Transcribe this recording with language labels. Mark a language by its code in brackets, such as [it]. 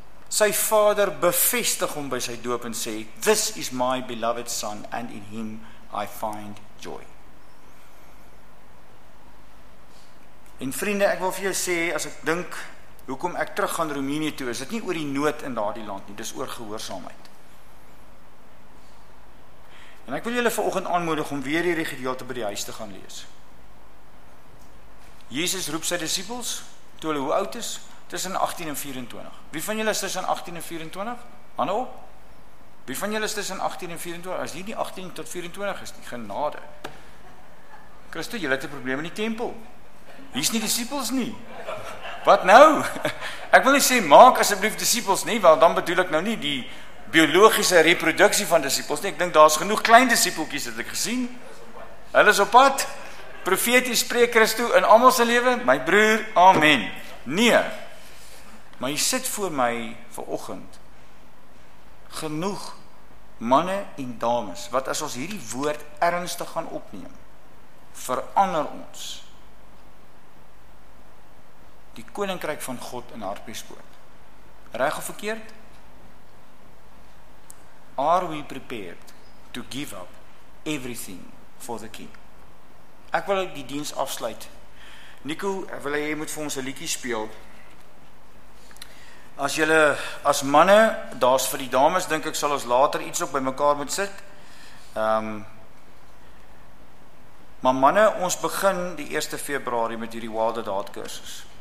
[af] Sy vader bevestig hom by sy doop en sê, [en] this is my beloved son and in him I find joy. [af] En vriende, ek wil vir jou sê, as ek dink, hoekom ek terug gaan Roemenië toe, is dit nie oor die nood in daardie land nie, dis oor gehoorsaamheid. En ek wil julle vanoggend aanmoedig om weer hierdie gedeelte by die huis te gaan lees. Jesus roep sy disciples, toe hulle hoe oud is, tussen 18 en 24. Wie van julle is tussen 18 en 24? Hanne op. Wie van julle is tussen 18 en 24? As hier nie 18 tot 24 is nie, genade. Christo, julle het 'n probleem in die tempel. Hier is nie disciples nie. Wat nou? Ek wil nie sê, maak asseblief disciples nie, wel dan bedoel ek nou nie die biologiese reproduksie van disciples nie. Ek dink daar is genoeg klein disciples, het ek gesien. Hulle is op pad. Profeties spreek Christo in almal se lewe. My broer, amen. Nee. Maar jy sit voor my vanoggend genoeg manne en dames, wat as ons hierdie woord ernstig gaan opneem, verander ons die koninkryk van God in Harpiespoort. Reg of verkeerd? [en] Are we prepared to give up everything for the King? [af] Ek wil die diens afsluit. Nico, ek wil hy moet vir ons 'n liedjie speel. As julle as manne, daar's vir die dames, dink ek sal ons later iets op by mekaar moet sit. Maar manne, ons begin die 1 Februarie met hierdie Wilder Daad kursus.